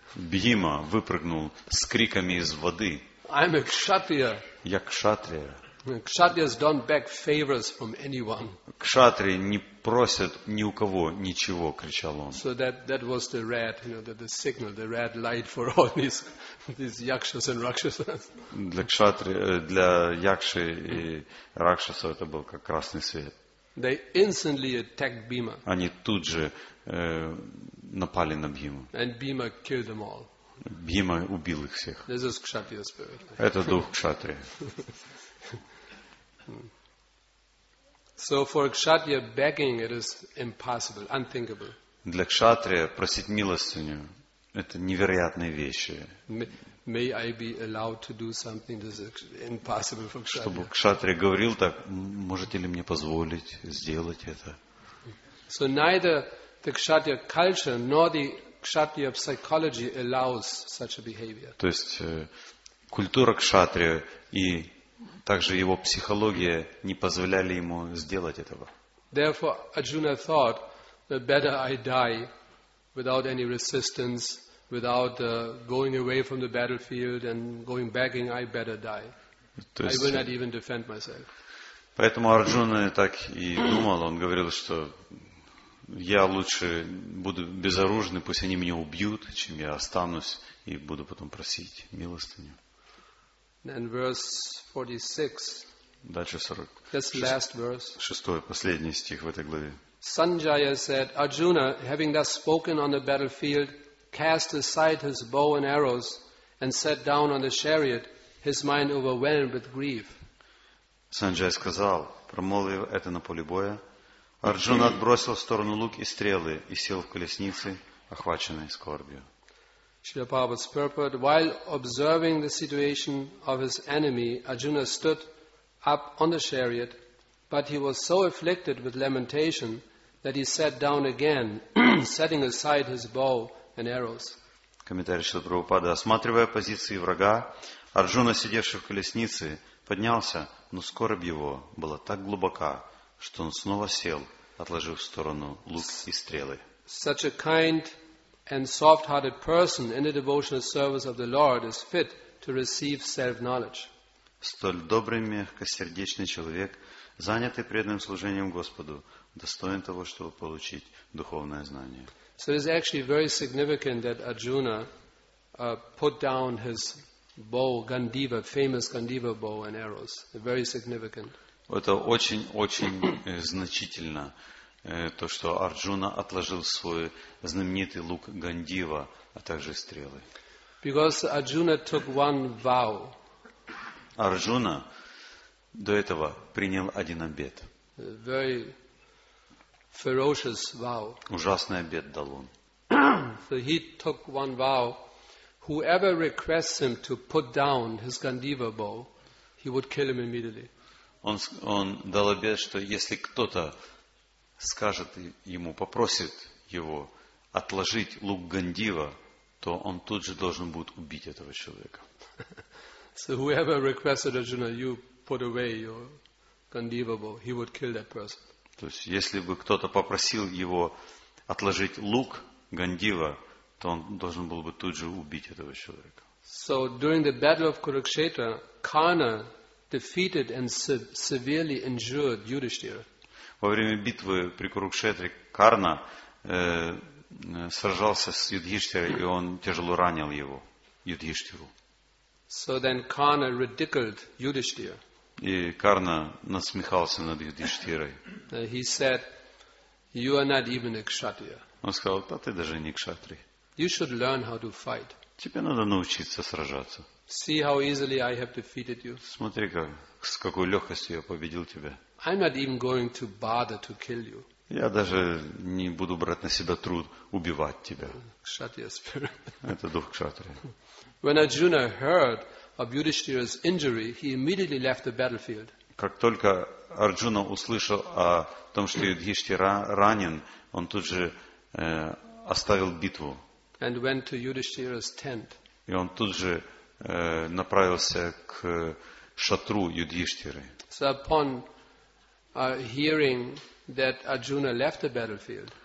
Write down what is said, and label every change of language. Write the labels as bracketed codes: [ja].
[ru] Бхима выпрыгнул с криками из воды. [en] I'm a kshatriya. [ru] Я кшатрия. [en] Kshatriyas don't beg favors from anyone. [ru] Кшатрии не просят ни у кого ничего, кричал он. [en] So that was the red, you know, the signal, the red light for all these yakshas and rakshasas. [ru] Для кшатрии, для якши и ракшасов это был как красный свет. [en] They instantly attacked Bhima. [ru] Они тут же напали на Бхиму. [en] And Bhima killed them all. [ru] Бхима убил их всех. [en] This is kshatriya spirit. [ru] Это дух кшатрии. [en] So for kshatriya begging it is impossible, unthinkable. [ru] Для кшатрия просить милостыню это невероятные вещи. [en] May I be allowed to do something that is impossible for kshatriya? [ru] Чтобы кшатрия говорил так, можете ли мне позволить сделать это? [en] So neither the kshatriya culture nor the kshatriya psychology allows such a behavior. [ru] То есть культура кшатрия и также его психология не позволяли ему сделать этого. [en] Therefore, Arjuna thought, the better I die without any resistance, without going away from the battlefield and going begging, I better die. [ru] То есть, [en] I will not even defend myself. [ru] Поэтому Арджуна так и думал, он говорил, что я лучше буду безоружный, пусть они меня убьют, чем я останусь и буду потом просить милостыню. [en] And verse 46. [ru] Дальше 40. [en] This last verse. [ru] Шестой, последний стих в этой главе. [en] Sanjaya said, Arjuna, having thus spoken on the battlefield, cast aside his bow and arrows and sat down on the chariot, his mind overwhelmed with grief. [ru] Санджай сказал, промолвив это на поле боя, Арджуна отбросил в сторону лук и стрелы и сел в колеснице, охваченной скорбью. [en] Srila Prabhupada's purport, while observing the situation of his enemy, Arjuna stood up on the chariot, but he was so afflicted with lamentation that he sat down again, setting aside his bow and arrows. [ru] Комментарий Шрила Прабхупады. Осматривая позиции врага, Арджуна, сидевший в колеснице, поднялся, но скорбь его была так глубока, что он снова сел, отложив в сторону лук и стрелы. [en] Such a kind and soft-hearted person in the devotional service of the Lord is fit to receive self-knowledge. [ru] Столь добрый, мягкосердечный человек, занятый преданным служением Господу, достоин того, чтобы получить духовное знание. [en] So it's actually very significant that Arjuna put down his bow, Gandiva, famous Gandiva bow and arrows. Very significant. [ru] Это очень-очень значительно, то, что Арджуна отложил свой знаменитый лук Гандива, а также стрелы. [en] Because Arjuna took one vow. [ru] Арджуна до этого принял один обет. [en] Very ferocious vow. [ru] Ужасный обет дал он. [en] So he took one vow. Whoever requests him to put down his Gandiva bow, he would kill him immediately. [ru] Он дал обет, что если кто-то скажет ему, попросит его отложить лук Гандива, то он тут же должен будет убить этого человека. [en] So whoever requested Arjuna, you put away your Gandiva bow, he would kill that person. [ru] То есть, если бы кто-то попросил его отложить лук Гандива, то он должен был бы тут же убить этого человека. [en] So during the battle of Kurukshetra, Karna defeated and severely injured Yudhishthira. [ru] Во время битвы при Курукшетре Карна сражался с Юдхиштхирой, и он тяжело ранил его, Юдхиштхиру. [en] So then Karna ridiculed Yudhishthira. [ru] И Карна насмехался над Юдхиштхирой. [en] He said, "You are not even a kshatriya." [ru] Он сказал, "А ты даже не кшатри." [en] You should learn how to fight. [ru] Тебе надо научиться сражаться. [en] See how easily I have defeated you. [ru] Смотри, с какой легкостью я победил тебя. [en] I'm not even going to bother to kill you. [ru] Я даже не буду брать на себя труд убивать тебя. [en] Kshatriya spirit. [ru] Это дух кшатри. [en] When Arjuna heard of Yudhishthira's injury, he immediately left the battlefield. [ru] Как только Арджуна услышал о том, что Юдхиштхира ранен, он тут же оставил битву. [en] And went to Yudhishthira's tent. [ru] И он тут же направился к шатру Юдхиштхиры. [en] So upon hearing that Arjuna left the battlefield,